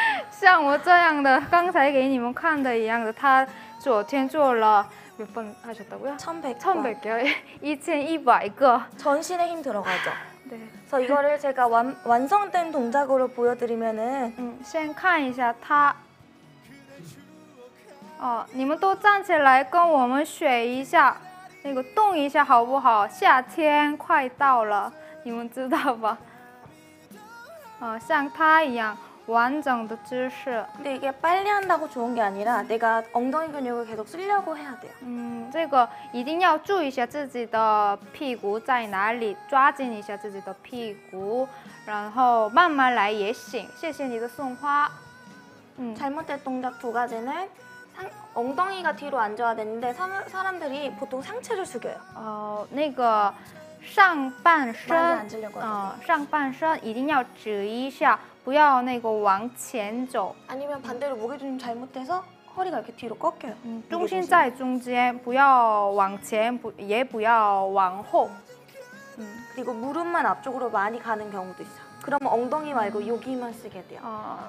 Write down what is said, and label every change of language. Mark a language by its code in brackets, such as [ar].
[zh] 像我这样的刚才给你们看的一样的他昨天做了 [ko] 몇번하셨다고요1100개 전신에힘들어가죠 네 그래서이거를제가 완성된동작으로보여드리면은 [zh] 先看一下他어你们都站起来跟我们学一下那个动一下好不好夏天快到了你们知道吧像他一样 [ko] 완전한 지시. 근데 이게 빨리 한다고 좋은 게 아니라 내가 엉덩이 근육을 계속 쓰려고 해야 돼요. [zh] 这个一定要注意一下自己的屁股在哪里，抓紧一下自己的屁股，然后慢慢来也行。谢谢你的送花。 [ko] 잘못된 동작 두 가지는 엉덩이가 뒤로 앉아야 되는데 사람들이 보통 상체를 숙여요. [zh] 上半身一定要直一下，不要那个往前走。 [ko] 아니면 반대로 무게중심 잘못해서 허리가 이렇게 뒤로 꺾여요. [zh] 중심在中间，不要往前，也不要往后。 [ko] 그리고 무릎만 앞쪽으로 많이 가는 경우도 있어요. 그럼 엉덩이 말고 여기만 쓰게 돼요.